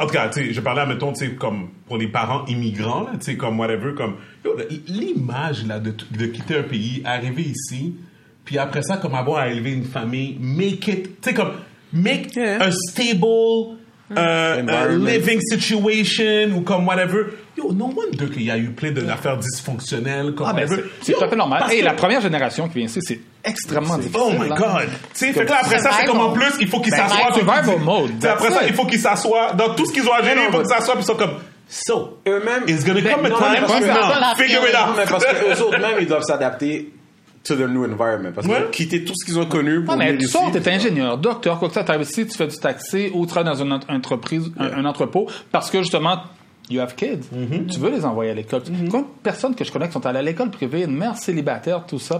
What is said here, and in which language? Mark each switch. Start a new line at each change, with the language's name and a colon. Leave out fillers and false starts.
French: En tout cas, je parlais, mettons, tu sais, comme pour les parents immigrants, tu sais, comme whatever, comme yo, l'image là de quitter un pays, arriver ici, puis après ça, comme avoir à élever une famille,
English: make it,
French: tu sais, comme
English: make a stable living situation
French: ou comme whatever. Yo,
English: no wonder
French: qu'il y a eu plein d'affaires dysfonctionnelles, comme whatever. C'est tout à fait normal. Et la première génération qui vient ici, c'est extrêmement difficile.
English: Oh my God!
French: Tu sais, fait que là, après ça, c'est comme en plus, il faut qu'ils s'assoient.
English: Survival mode.
French: T'sais, après ça, il faut qu'ils s'assoient. Dans tout ce qu'ils ont à gérer, il faut qu'ils s'assoient, puis ils sont comme.
English: So,
French: eux-mêmes.
English: It's gonna come a time, figure it out.
French: Parce que eux autres, même, ils doivent s'adapter
English: to the new environment.
French: Parce que quitter tout ce qu'ils ont connu pour. Non, mais tu sors, t'es ingénieur, docteur, quoi que ça, t'arrives ici, tu fais du taxi ou tu travailles dans une entreprise, un entrepôt, parce que justement,
English: you have kids.
French: Mm-hmm. Tu veux les envoyer à l'école. Mm-hmm. Comme personne que je connais qui sont allés à l'école privée, une mère célibataire, tout ça.